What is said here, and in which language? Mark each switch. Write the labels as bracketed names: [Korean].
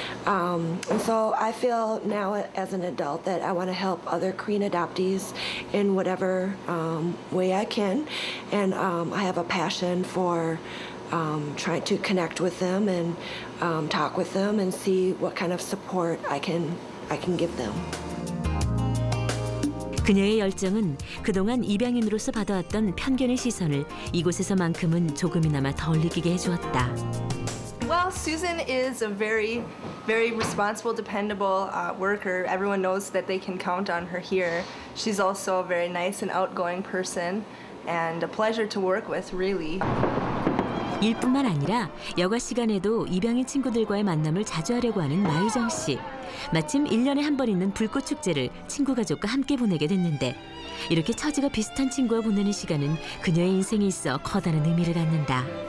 [English] And so I feel now as an adult that I want to help other Korean adoptees in whatever way I can. And I have a passion for trying to connect with them and talk with them and see what kind of support I can give them. [Korean] 그녀의 열정은 그동안 입양인으로서 받아왔던 편견의 시선을 이곳에서만큼은 조금이나마 덜 느끼게 해주었다. [English] Well, Susan is a very, very responsible, dependable worker. Everyone knows that they can count on her here. She's also a very nice and outgoing person and a pleasure to work with, really. [Korean] 일뿐만 아니라 여가 시간에도 입양인 친구들과의 만남을 자주 하려고 하는 마유정 씨. 마침 1년에 한 번 있는 불꽃 축제를 친구 가족과 함께 보내게 됐는데, 이렇게 처지가 비슷한 친구와 보내는 시간은 그녀의 인생에 있어 커다란 의미를 갖는다.